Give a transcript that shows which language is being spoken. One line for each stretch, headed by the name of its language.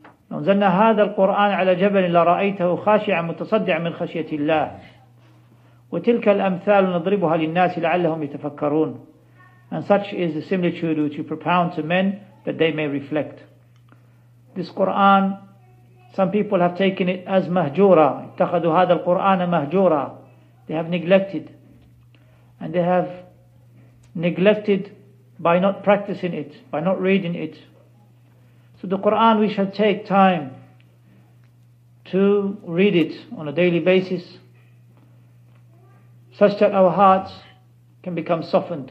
Arabic: Nunzalna hadha al-Qur'an ala jabalin la ra'aytahu khashi'an mutasaddi'an min khashiyati Allah. وَتِلْكَ الْأَمْثَالُ نَضْرِبُهَا لِلنَّاسِ لَعَلَّهُمْ يَتَفَكَّرُونَ.
English: And such is the similitude which you propound to men that they may reflect. This Qur'an, some people have taken it as mahjura.
Arabic: اتخذوا هذا القرآن مهجورا.
English: They have neglected. And they have neglected by not practicing it, by not reading it. So the Qur'an, we should take time to read it on a daily basis, such that our hearts can become softened.